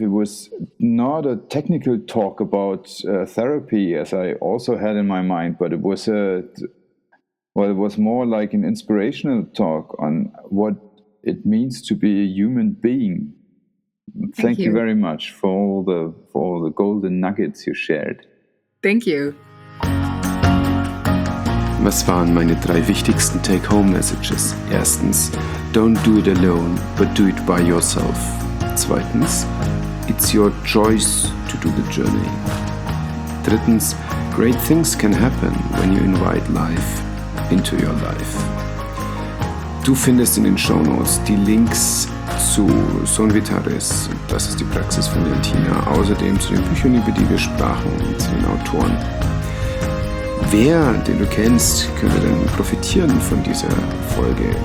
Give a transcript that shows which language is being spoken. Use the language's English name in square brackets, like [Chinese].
[English] It was not a technical talk about therapy, as I also had in my mind, but it was more like an inspirational talk on what it means to be a human being. Thank you very much for all the golden nuggets you shared. Thank you. [German] Was waren meine drei wichtigsten [English] take-home messages? Erstens, don't do it alone, but do it by yourself. Zweitens, it's your choice to do the journey. Drittens, great things can happen when you invite life into your life. [German] Du findest in den Shownotes die Links zu Son Vitares, das ist die Praxis von Jantina, außerdem zu den Büchern, über die wir sprachen, und zu den Autoren. Wer, den du kennst, könnte denn profitieren von dieser Folge?